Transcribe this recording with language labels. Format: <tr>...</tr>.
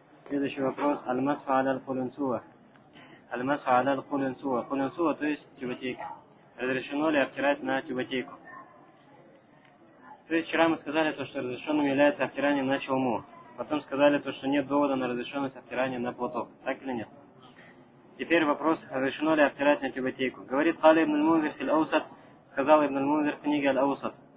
<ar>كده شوفوا المسح على القلنسوة. المسح على القلنسوة.</ar> <ru>قلنسوة то есть тюбетейك. Разрешено ли обтирать на тюбетейку? То есть вчера мы сказали то, что разрешенным является обтирание на челму. Потом сказали то, что нет довода на разрешенность обтирания на платок. Так или нет? Теперь вопрос, разрешено ли обтирать на тюбетейку. Говорит</ru> <ar>قال ابن المنذر في الأوسط.</ar> <ru>Сказал</ru> <ar>ابن المنذر في книге الأوسط.</ar>